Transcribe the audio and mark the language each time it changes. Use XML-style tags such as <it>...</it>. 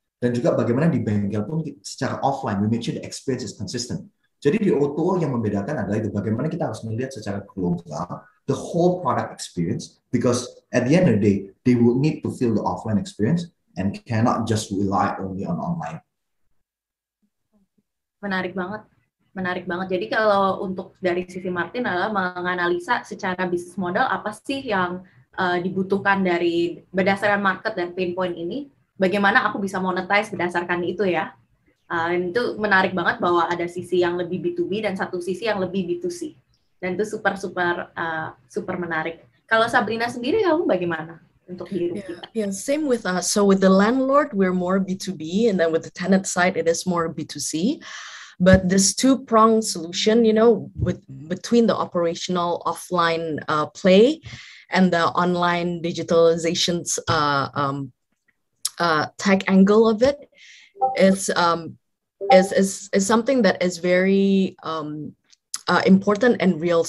<id>Dan juga bagaimana di bengkel pun secara offline,</id> <en>we make sure the experience is consistent.</en> <id>Jadi di O2O yang membedakan adalah itu, bagaimana kita harus melihat secara global</id> <en>the whole product experience, because at the end of the day, they will need to feel the offline experience and cannot just rely only on online.</en> <id>Menarik banget. Menarik banget. Jadi kalau untuk dari sisi Martin adalah menganalisa secara bisnis model apa sih yang dibutuhkan dari berdasarkan market dan pain point ini, bagaimana aku bisa monetize berdasarkan itu ya. Itu menarik banget bahwa ada sisi yang lebih B2B dan satu sisi yang lebih B2C. Dan itu super menarik. Kalau Sabrina sendiri, kamu bagaimana untuk hidup kita?</id> <en>Yeah, same with us. So with the landlord, we're more B2B, and then with the tenant side, it is more B2C. But this two-pronged solution, you know, with between the operational offline play and the online digitalization tech angle of it, is something that is very important and real.</en>